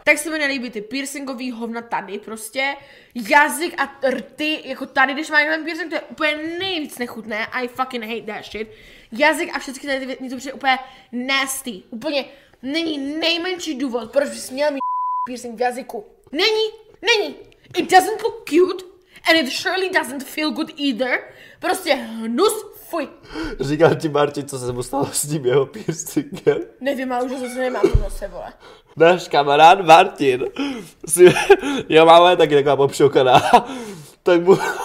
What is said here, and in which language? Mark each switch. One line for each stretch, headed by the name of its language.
Czech: Tak se mi nelíbí ty piercingový hovna tady prostě, jazyk a rty, jako tady, když má nějaký piercing, to je úplně nejvíc nechutné,
English: I fucking hate that shit.
Czech: Jazyk a všechny tady mi to přijde úplně nasty, úplně není nejmenší důvod, proč bys měl mít piercing v jazyku. Není,
English: it doesn't look cute. And it surely doesn't feel good either.
Czech: Prostě hnus, fuj. Říkal ti Marti, co se mu stalo s tím jeho piercingem. Nevím, ale už zase nemám to zase, vole. Náš kamarád Martin. Jeho máma je taky taková popšokaná. Tak mu...